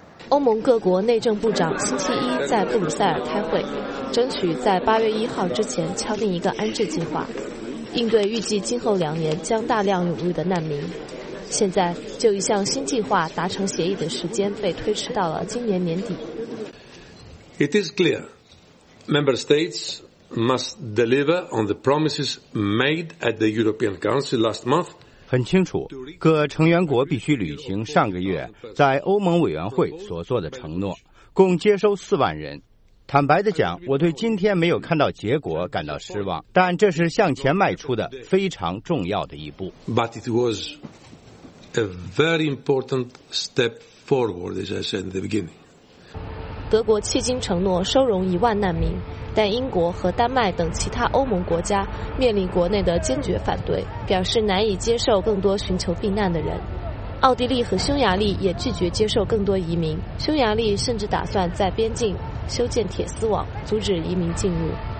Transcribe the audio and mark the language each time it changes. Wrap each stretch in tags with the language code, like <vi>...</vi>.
<zh>欧盟各国内政部长星期一在布鲁塞尔开会，争取在8月1号之前敲定一个安置计划，应对预计今后2年将大量涌入的难民。现在就一项新计划达成协议的时间被推迟到了今年年底。</zh> <en>It is clear, member states must deliver on the promises made at the European Council last month.</en> <zh>很清楚，各成员国必须履行上个月在欧盟委员会所做的承诺，共接收4万人。坦白地讲，我对今天没有看到结果感到失望，但这是向前迈出的非常重要的一步。</zh> <en>But it was a very important step forward, as I said in the beginning.</en> <zh>德国迄今承诺收容10000难民，但英国和丹麦等其他欧盟国家面临国内的坚决反对，表示难以接受更多寻求避难的人。奥地利和匈牙利也拒绝接受更多移民，匈牙利甚至打算在边境修建铁丝网，阻止移民进入。</zh>